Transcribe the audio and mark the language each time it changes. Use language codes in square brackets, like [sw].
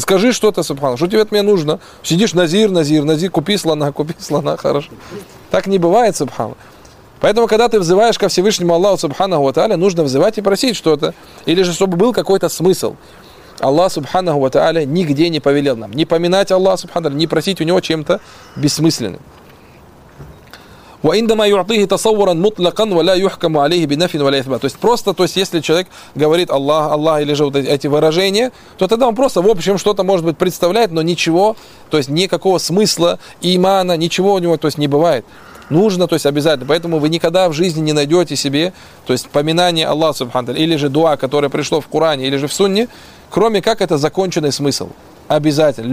[ru] Скажи что-то, Субхану, что тебе от меня нужно? Сидишь, назир, назир, назир, купи слона, хорошо. Так не бывает, Субхану. Поэтому, когда ты взываешь ко Всевышнему Аллаху, Субханаху ва Тааля, нужно взывать и просить что-то. Или же, чтобы был какой-то смысл. Аллах, Субханаху ва Тааля, нигде не повелел нам. Не поминать Аллаха, Субханаху, не просить у него чем-то бессмысленным. [ar] وعندما يعطيه تصورا مطلقا ولا يحكم عليه بنفي ولا اثبات. [ru] То есть просто, то есть если человек говорит Аллах, Аллах или же вот эти выражения, то тогда он просто в общем что-то может быть представляет, но ничего, то есть никакого смысла, имана, ничего у него, то есть не бывает. Нужно, то есть обязательно. Поэтому вы никогда в жизни не найдете себе, то есть поминание Аллаха субханаху или же дуа, которое пришло в Коране или же в Сунне, кроме как это законченный смысл. Обязательно.